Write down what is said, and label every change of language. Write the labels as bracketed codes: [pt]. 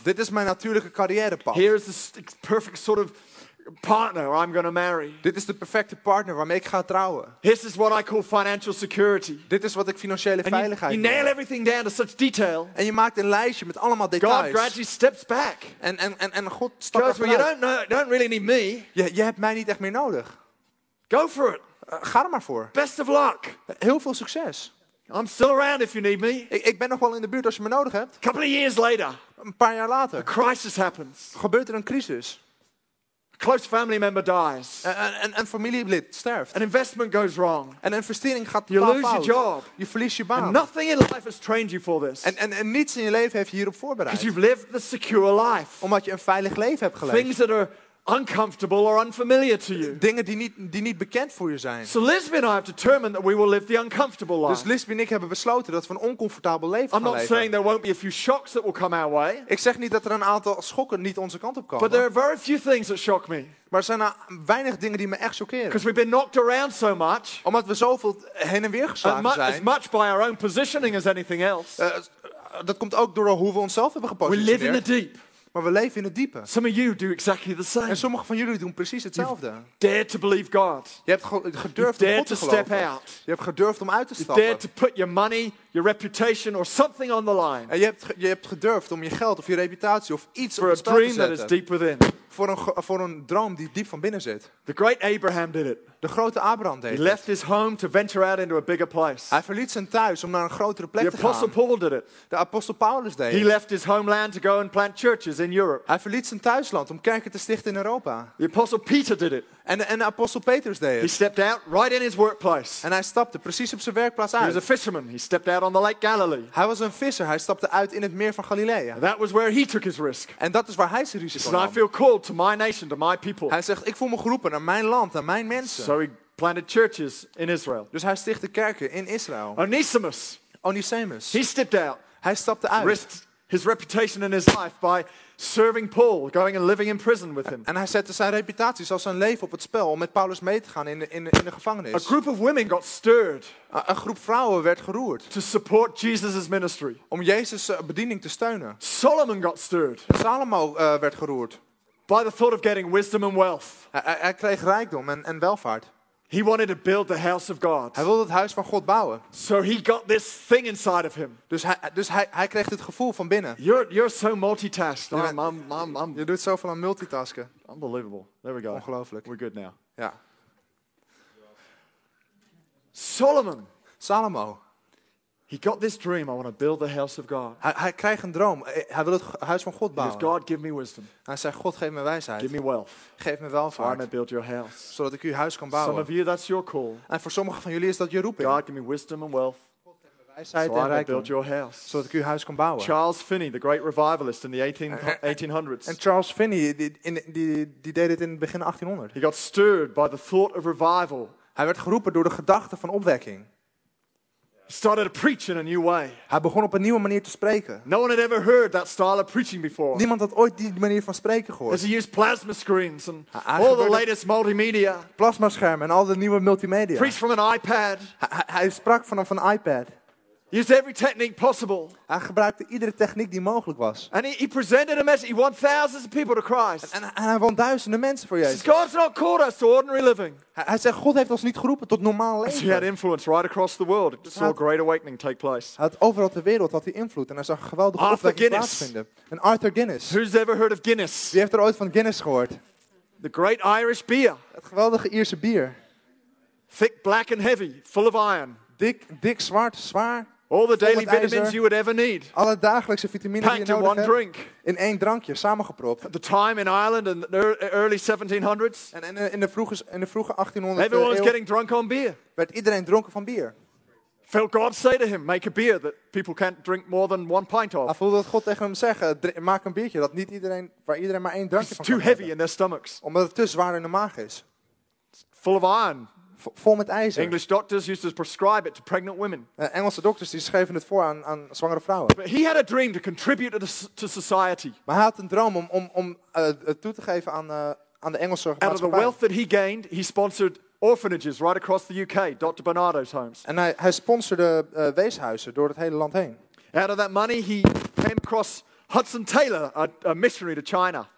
[nl] Dit is mijn natuurlijke carrièrepad. Hier is de perfect soort of partner [en] I'm going to marry. [nl] Dit is de perfecte partner waarmee ik ga trouwen. [en] This is what I call financial security. [nl] Dit is wat ik financiële [en] and [nl] veiligheid. [en] You nail everything down to such detail. [nl] En je maakt een lijstje met allemaal details. [en] God gradually steps back. [nl] En God stapt eruit. [en] Well, you don't really need me. [nl] Je hebt mij niet echt meer nodig. [en] Go for it. [nl] Ga er maar voor. [en] Best of luck. [nl] Heel veel succes. [en] I'm still around if you need me. [nl] Ik ben nog wel in de buurt als je me nodig hebt. [en] Couple of years later. [nl] Een paar jaar later. [en] A crisis happens. [nl] Gebeurt er een crisis. [en] Close family member dies. [nl] Een familielid sterft. [en] An investment goes wrong. [nl] En een investering gaat fout. [en] You lose your job. [nl] Je verliest je baan. [en] And nothing in life has trained you for this. [nl] En niets in je leven heeft je hierop voorbereid. [en] Because you've lived the secure life. [nl] Omdat je een veilig leven hebt geleefd. [en] Things that are uncomfortable or unfamiliar to you. [nl] Dingen die niet bekend voor je zijn. [en] So Lisbeth and I have determined that we will live the uncomfortable life. [nl] Dus Lisbeth en ik hebben besloten dat we een oncomfortabel leven gaan leven. [en] I'm not saying there won't be a few shocks that will come our way. [nl] Ik zeg niet dat er een aantal schokken niet onze kant op komen. [en] But there are very few things that shock me. [nl] Maar er zijn weinig dingen die me echt shockeren. [en] Because we've been knocked around so much. [nl] Omdat we zoveel heen en weer geslagen zijn. [en] As much by our own positioning as anything else. [nl] Dat komt ook door hoe we onszelf hebben gepositioneerd. [en] We live in the deep. [nl] Maar we leven in het diepe. [en] Some of you do exactly the same. [nl] En sommige van jullie doen precies hetzelfde. [en] Dare to believe God. [nl] Je hebt gedurfd om God te [en] step out. [nl] Je hebt gedurfd om uit te stappen. [en] You dare to put your money, your reputation or something on the line. [nl] En je hebt gedurfd om je geld of je reputatie of iets [en] for [nl] op het spel te zetten. [en] For a dream that is deep within. [nl] Voor een droom die diep van binnen zit. [en] The great Abraham did it. [nl] De grote Abraham deed het. [en] He left his home to venture out into a bigger place. [nl] Hij verliet zijn thuis om naar een grotere plek [en] the [nl] te [en] Apostle [nl] gaan. [en] Paul did it. [nl] De apostel Paulus deed [en] he [nl] het. [en] He left his homeland to go and plant churches in Europe. [nl] Hij verliet zijn thuisland om kerken te stichten in Europa. [en] The apostle Peter did it. [nl] En de apostel Petrus deed het. [en] He stepped out right in his workplace. [nl] En hij stapte precies op zijn werkplaats uit. [en] He was a fisherman. He stepped out on the Lake Galilee. [nl] Hij was een visser. Hij stapte uit in het meer van Galilea. [en] That was where he took his risk. [nl] En dat is waar hij zijn risico nam. [en] I feel called to my nation, to my people. [nl] Hij zegt, ik voel me geroepen naar mijn land, naar mijn mensen. [en] So he planted churches in Israel. [nl] Dus hij stichtte kerken in Israël. [en] Onesimus. He stepped out. [nl] Hij stapte uit. [en] Risked his reputation and his life by serving Paul, going and living in prison with him. [nl] En hij zette zijn reputatie, zelfs zijn leven op het spel om met Paulus mee te gaan in de gevangenis. [en] A group of women got stirred. [nl] Een groep vrouwen werd geroerd. [en] To support Jesus's ministry. [nl] Om Jezus bediening te steunen. [en] Solomon got stirred. [nl] Salomo werd geroerd. [en] By the thought of getting wisdom and wealth. [nl] Hij kreeg rijkdom en welvaart. [en] He wanted to build the house of God. [nl] Hij wilde het huis van God bouwen. [en] So he got this thing inside of him. [nl] Dus hij kreeg dit gevoel van binnen. [en] You're so multitasked. I'm. [nl] Je doet zoveel aan multitasken. [en] Unbelievable. There we go. [nl] Ongelooflijk. [en] We're good now. [nl] Ja. Salomo. [en] He got this dream. I want to build the house of God. [nl] Hij kreeg een droom. Hij wil het huis van God bouwen. [en] He says, God, give me wisdom. [nl] Hij zei, God, geef me wijsheid. [en] Give me wealth. [nl] Geef me welvaart. [en] So I may build your house. [nl] Zodat ik uw huis kan bouwen. [en] Some of you, that's your call. [nl] En voor sommigen van jullie is dat je roeping. [en] God, give me wisdom and wealth. [nl] Wijsheid [en] so [nl] en rijkdom. [en] I may build your house. [nl] Zodat ik uw huis kan bouwen. [en] Charles Finney, the great revivalist in the 1800s. [nl] En Charles Finney, die deed het in het begin 1800. [en] He got stirred by the thought of revival. [nl] Hij werd geroepen door de gedachte van opwekking. [en] Started to preach in a new way. [nl] Hij begon op een nieuwe manier te spreken. [en] No one had ever heard that style of preaching before. [nl] Niemand had ooit die manier van spreken gehoord. [en] As he used plasma screens and all the latest multimedia. [nl] Plasma schermen en al de nieuwe multimedia. [en] Preached from an iPad. [nl] Hij sprak vanaf een iPad. [en] Used every technique possible. [nl] Hij gebruikte iedere techniek die mogelijk was. [en] And he presented a message. He won thousands of people to Christ. [nl] En hij won duizenden mensen voor Jezus. [en] God's not called us to ordinary living. [nl] Hij zegt, God heeft ons niet geroepen tot normaal leven. [en] He had influence right across the world. He saw great awakening take place. [nl] Had overal ter wereld had hij invloed en hij zag geweldige opwekking plaatsvinden. En Arthur Guinness. [en] Who's ever heard of Guinness? [nl] Wie heeft er ooit van Guinness gehoord? [en] The great Irish beer. [nl] Het geweldige Ierse bier. [en] Thick, black and heavy, full of iron. [nl] Dik, zwaar. [en] All the daily vitamins you would ever need. [nl] Alle dagelijkse vitamines [en] packed [nl] die je nodig [en] in one [nl] hebt. [en] Drink. [nl] In één drankje, samengepropt. [en] At the time in Ireland in the early 1700s. [nl] En in de vroege 1800s. [en] Everyone was getting drunk on beer. [nl] Werd iedereen dronken van bier. [en] Felt God say to him, make a beer that people can't drink more than one pint of. [nl] Hij voelde dat God tegen hem zeggen, maak een biertje dat niet iedereen, waar iedereen maar één drankje van kan. [en] It's too heavy in their stomachs. [nl] Omdat het te zwaar in de maag is. [en] Full of iron. [nl] Vol met ijzer. [en] English doctors used to prescribe it to pregnant women. [nl] Engelse dokters die schreven het voor aan zwangere vrouwen. [en] But he had a dream to contribute to society. [nl] Maar hij had een droom om toe te geven aan de Engelse maatschappij. [en] Out of the wealth that he gained, he sponsored orphanages right across the UK, Dr. Bernardo's homes. [nl] En hij sponsorde weeshuizen door het hele land heen. [en] Out of that money, he came across Hudson Taylor, a missionary to China.